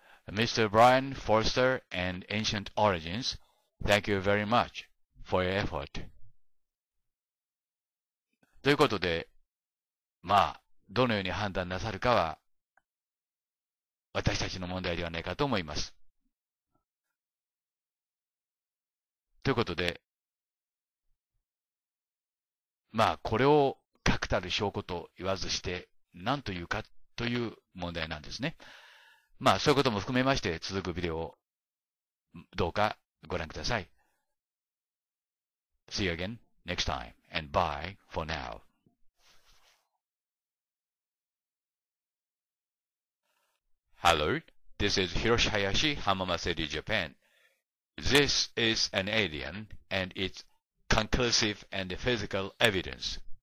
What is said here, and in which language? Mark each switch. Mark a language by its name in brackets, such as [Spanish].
[English] Mr. Brian Forster and Ancient Origins, thank you very much for your effort. [Japanese] ということで、まあ、どのように判断なさるかは、私たちの問題ではないかと思います。ということで、まあ、これを確たる証拠と言わずして、何というかという問題なんですね。まあ、そういうことも含めまして、続くビデオをどうかご覧ください。 [English] See you again next time, and bye for now. Hello, this is Hiroshi Hayashi, Hamamatsu City, Japan. This is an alien, and it's conclusive and physical evidence.